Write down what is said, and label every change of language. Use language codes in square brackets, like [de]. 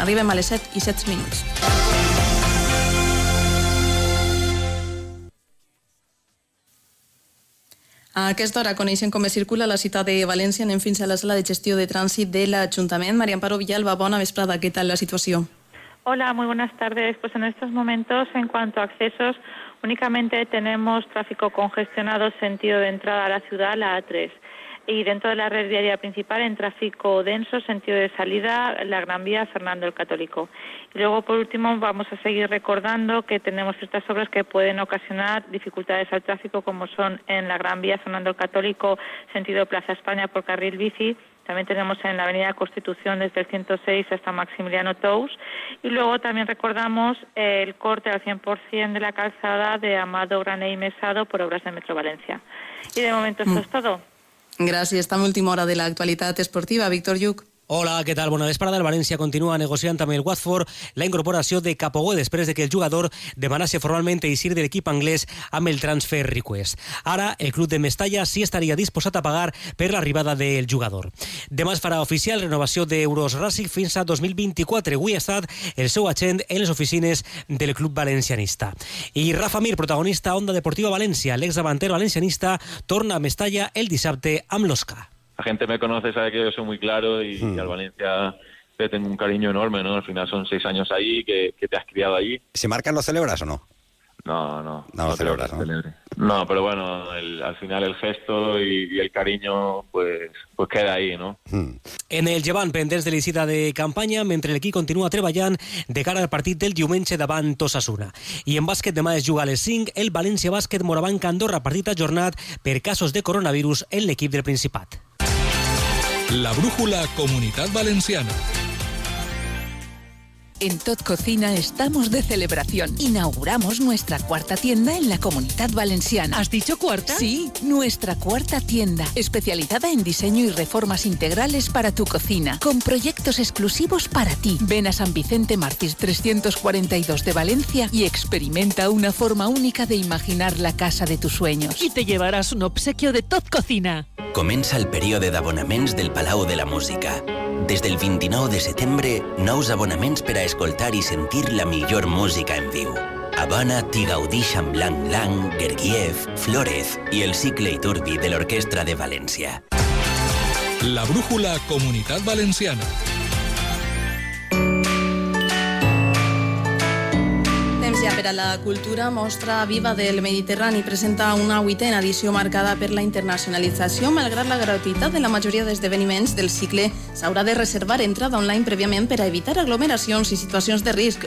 [ca] Arribem a les 7 i 7 minuts. A aquesta hora coneixen com es circula la ciutat de València. Anem fins a la sala de gestió de trànsit de l'Ajuntament. Maria Amparo Villalba, bona vesprada. Què tal la situació? [es] Hola, muy buenas tardes. Pues en estos momentos, en cuanto a accesos, únicamente tenemos tráfico congestionado sentido de entrada a la ciudad, la A3. Y dentro de la red viaria principal, en tráfico denso, sentido de salida, la Gran Vía, Fernando el Católico. Y luego, por último, vamos a seguir recordando que tenemos estas obras que pueden ocasionar dificultades al tráfico, como son en la Gran Vía, Fernando el Católico, sentido Plaza España por carril bici. También tenemos en la Avenida Constitución desde el 106 hasta Maximiliano Tous. Y luego también recordamos el corte al 100% de la calzada de Amado, Grané y Mesado por obras de Metro Valencia. Y de momento esto es todo. Gracias. Esta última hora de la actualidad esportiva. Víctor Lluc. [ca] Hola, què tal? Bona vesprada. El València continua negociant amb el Watford la incorporació de Capogó després de que el jugador demanasse formalment eixir de l'equip anglès amb el transfer request. Ara, el club de Mestalla sí estaria disposat a pagar per l'arribada del jugador. Demà es farà oficial renovació d'Euros Racing fins a 2024. Avui ha estat el seu agent en les oficines del club valencianista. I Rafa Mir, protagonista a Onda Deportiva València, l'exdavantero valencianista, torna a Mestalla el dissabte amb l'Osca. [es] La gente me conoce, sabe que yo soy muy claro y al Valencia le tengo un cariño enorme, ¿no? Al final son 6 años ahí que te has criado ahí. ¿Se marcan, lo celebras o no? No, lo celebras, ¿no? No, pero bueno, al final el gesto y el cariño pues queda ahí, ¿no? [ca] En el Llevant, pendents de la visita de campanya, mentre l'equip continua treballant de cara al partit del diumenge davant Osasuna. I en bàsquet, demà es juga a les 5 el València Bàsquet Morabanc Andorra, partit ajornat per casos de coronavirus en l'equip del Principat. [es] La brújula Comunitat Valenciana. En Tot Cocina estamos de celebración. Inauguramos nuestra cuarta tienda en la Comunidad Valenciana. ¿Has dicho cuarta? Sí, nuestra cuarta tienda, especializada en diseño y reformas integrales para tu cocina, con proyectos exclusivos para ti. Ven a San Vicente Mártir 342 de Valencia y experimenta una forma única de imaginar la casa de tus sueños. Y te llevarás un obsequio de Tot Cocina. [ca] Comença el període d'abonaments del Palau de la Música. Des del 29 de setembre, nous abonaments per a escoltar i sentir la millor música en viu. Habana, Tigaudí, Xamblanc, Lang, Gergiev, Flórez y el Cicle Iturbi de la Orquestra de Valencia. [es] La brújula Comunidad Valenciana. [ca] Per a la cultura, Mostra Viva del Mediterrani presenta una vuitena edició marcada per la internacionalització. Malgrat la gratuïtat de la majoria d'esdeveniments del cicle, s'haurà de reservar entrada online prèviament per a evitar aglomeracions i situacions de risc.